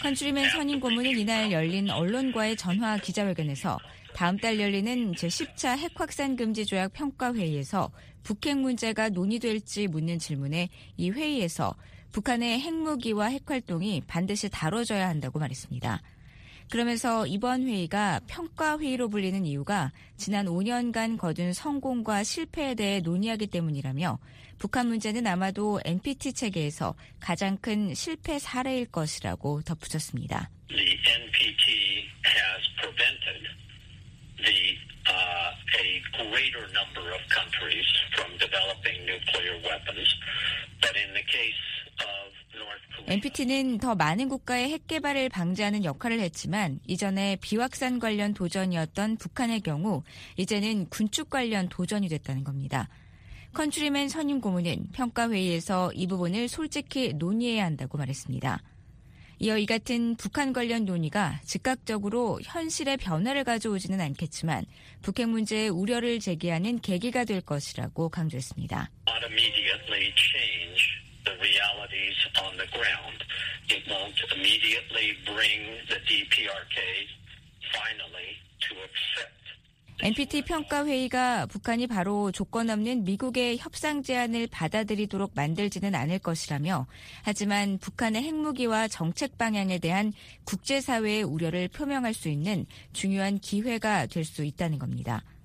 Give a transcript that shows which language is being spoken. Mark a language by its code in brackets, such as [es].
[ko] 컨트리맨 선임 고문은 이날 열린 언론과의 전화 기자회견에서 다음 달 열리는 제10차 핵확산 금지 조약 평가회의에서 북핵 문제가 논의될지 묻는 질문에 이 회의에서 북한의 핵무기와 핵활동이 반드시 다뤄져야 한다고 말했습니다. 그러면서 이번 회의가 평가회의로 불리는 이유가 지난 5년간 거둔 성공과 실패에 대해 논의하기 때문이라며 북한 문제는 아마도 NPT 체계에서 가장 큰 실패 사례일 것이라고 덧붙였습니다. [en] The NPT has prevented the, a greater number of countries from developing nuclear weapons. But in the case of North Korea, [ko] NPT는 더 많은 국가의 핵 개발을 방지하는 역할을 했지만 이전에 비확산 관련 도전이었던 북한의 경우 이제는 군축 관련 도전이 됐다는 겁니다. 컨트리맨 선임 고문은 평가회의에서 이 부분을 솔직히 논의해야 한다고 말했습니다. 이어 이 같은 북한 관련 논의가 즉각적으로 현실의 변화를 가져오지는 않겠지만 북핵 문제의 우려를 제기하는 계기가 될 것이라고 강조했습니다. [en] Not immediately change the realities on the ground. It won't immediately bring the DPRK finally to accept. [ko] NPT 평가회의가 북한이 바로 조건 없는 미국의 협상 제안을 받아들이도록 만들지는 않을 것이라며 하지만 북한의 핵무기와 정책 방향에 대한 국제사회의 우려를 표명할 수 있는 중요한 기회가 될 수 있다는 겁니다.